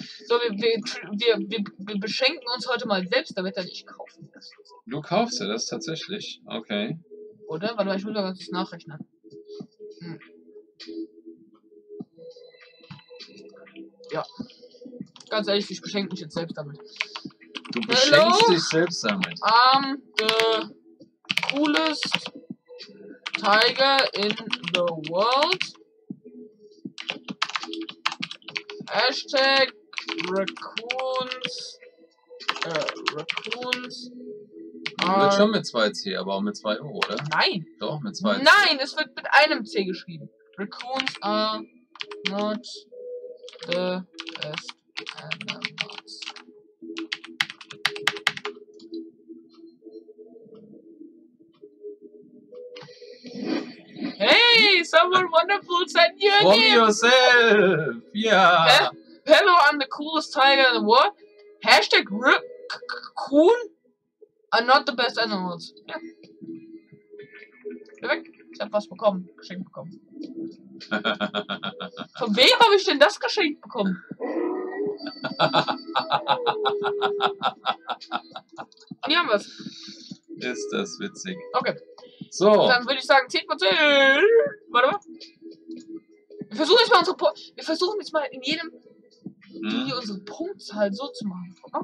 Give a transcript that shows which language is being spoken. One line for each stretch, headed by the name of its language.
German: So, wir beschenken uns heute mal selbst, damit er nicht kaufen kann. Du kaufst ja das tatsächlich, okay. Oder? Warte mal, ich muss da ganz kurz nachrechnen. Ja. Ganz ehrlich, ich beschenke mich jetzt selbst damit. Du beschenkst
English: Hello?
German: Dich selbst damit.
English: The coolest tiger in the world. Hashtag Raccoons. Raccoons.
German: Wird schon mit 2C, aber auch mit 2O, oder? Nein. Doch, mit 2C. Nein, es wird mit einem C geschrieben.
English: Raccoons are not the best animals. Hey, someone wonderful said your From name. From yourself, yeah. Hello, I'm the coolest tiger in the world. Hashtag Raccoon are not the best animals.
German: Ja. Geh weg. Ich hab was bekommen. Geschenkt bekommen. Von wem habe ich denn das geschenkt bekommen? Hier haben wir's. Ist das witzig. Okay. So. Dann würde ich sagen, 10 von 10. Warte mal. Wir versuchen jetzt mal in jedem die unsere Punktzahl so zu machen.